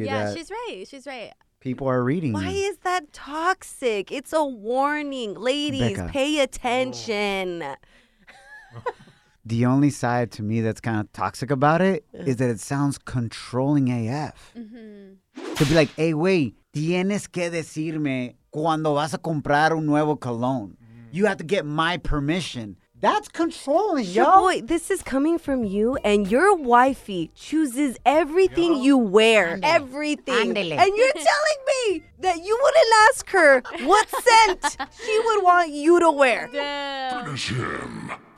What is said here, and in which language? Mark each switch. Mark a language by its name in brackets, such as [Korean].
[English] with that. Yeah, she's right. People are reading. Why is that toxic? It's a warning. Ladies, Becca, pay attention. The only side to me that's kind of toxic about it is that it sounds controlling AF. Mm-hmm. To be like, hey, wait, [Spanish] tienes que decirme cuando vas a comprar un nuevo cologne. [English] You have to get my permission. That's controlling, yo. Boy, this is coming from you, and your wifey chooses everything yo. You wear. [Spanish] Andele. [English] Everything. [Spanish] Andele. [English] And you're telling me that you wouldn't ask her what scent she would want you to wear. Damn. Finish him.